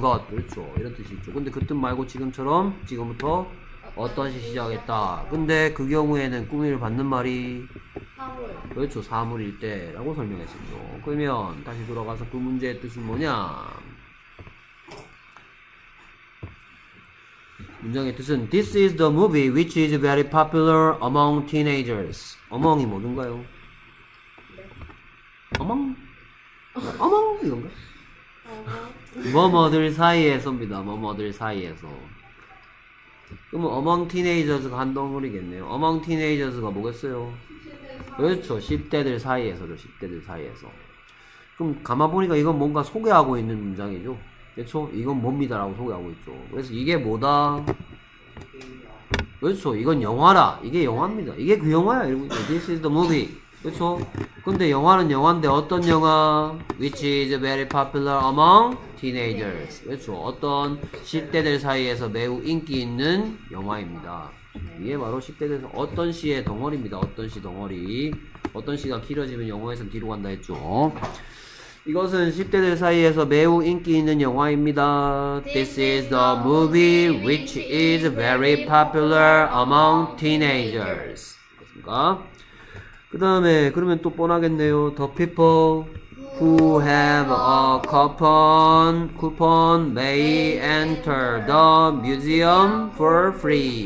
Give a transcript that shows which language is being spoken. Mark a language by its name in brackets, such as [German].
[Korean] 것 그렇죠. 이런 뜻이 있죠. 근데 그 뜻 말고 지금처럼 지금부터 어떤 시 시작했다. 근데 그 경우에는 꾸밈을 받는 말이 사물. 그렇죠. 사물일 때라고 설명했었죠. 그러면 다시 돌아가서 그 문제의 뜻은 뭐냐? 문장의 뜻은 [English] This is the movie which is very popular among teenagers. [Korean] Among이 뭔가요? 네. Among? Among 이건가? 뭐뭐들 사이에서입니다. 뭐뭐들 사이에서. 그러면 Among teenagers가 한 덩어리겠네요. Among teenagers가 뭐겠어요? 그렇죠. 10대들 사이에서죠. 10대들 사이에서. 그럼 감아보니까 이건 뭔가 소개하고 있는 문장이죠. 그렇죠? 이건 뭡니다 라고 소개하고 있죠. 그래서 이게 뭐다? 그렇죠? 이건 영화라. 이게 영화입니다. 이게 그 영화야. [English] This is the movie. [Korean] 그렇죠? 근데 영화는 영화인데 어떤 영화? [English] Which is very popular among teenagers. [Korean] 그렇죠? 어떤 10대들 사이에서 매우 인기 있는 영화입니다. 이게 바로 10대들에서 어떤 시의 덩어리입니다. 어떤 시 덩어리. 어떤 시가 길어지면 영화에서 뒤로 간다 했죠. 이것은 10대들 사이에서 매우 인기 있는 영화입니다. [English] This is the movie which is very popular among teenagers. [Korean] 그렇습니까? 그 다음에 그러면 또 뻔하겠네요. [English] The people who have a coupon may enter the museum for free.